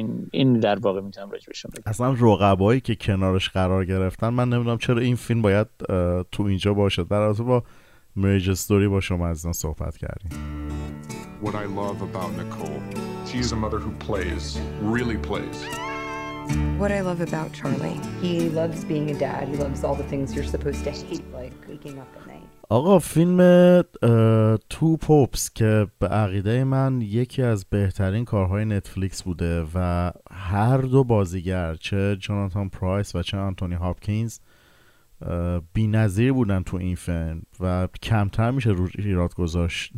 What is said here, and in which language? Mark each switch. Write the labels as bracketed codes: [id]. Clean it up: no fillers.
[fa] این در واقع میتونم راجع بهشون بگم. اصلا رقبایی که کنارش قرار گرفتن من نمیدونم چرا این فیلم باید تو اینجا باشه. در اصل با مریج استوری با شما از اون صحبت کردیم. [en] What I love about Nicole, she's a mother who plays, really plays. What I love about Charlie, he loves being a dad. He loves all the things you're supposed to hate, like waking up at night. [fa] آقا فیلم تو پوپس که به عقیده من یکی از بهترین کارهای نتفلیکس بوده و هر دو بازیگر چه جاناتان پرایس و چه آنتونی هاپکینز بی نظیر بودن تو این فیلم و کمتر میشه روش ایراد گذاشت.